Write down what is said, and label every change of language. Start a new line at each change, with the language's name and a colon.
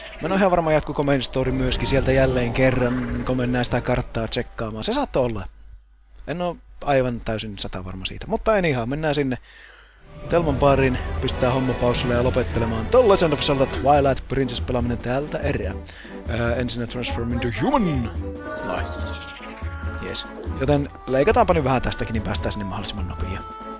Finnish: Mä en ole ihan varma, jatkuuko main story myöskin sieltä jälleen kerran, kun mennään sitä karttaa tsekkaamaan. Se saattoi olla. En ole aivan täysin sata varma siitä. Mutta en ihan, mennään sinne Telman pariin, pistää homma paussille ja lopettelemaan The Legend of Zelda Twilight Princess -pelaaminen täältä erää.
English: Ensin transform into human. Yes.
Finnish: Joten leikataanpa nyt vähän tästäkin, niin päästään sinne mahdollisimman nopeasti.